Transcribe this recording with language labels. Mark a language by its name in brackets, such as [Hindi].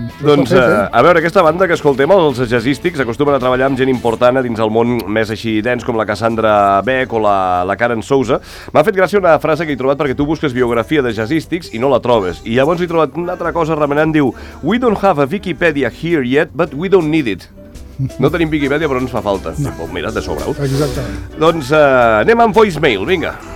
[Catalan] Doncs a veure, aquesta banda que escoltem, els jazzístics, acostumen a treballar amb gent important dins el món més així dens com la Cassandra Beck o la Karen Souza. M'ha fet gràcia una frase que he trobat perquè tu busques biografia de jazzístics i no la trobes. I llavors he trobat una altra cosa remenant, diu: [English] "We don't have a Wikipedia here yet, but we don't need it." [Catalan] No tenim Wikipedia, però no ens fa falta. No. Oh, mira, de sobre. Exactament. Doncs anem amb voicemail, vinga.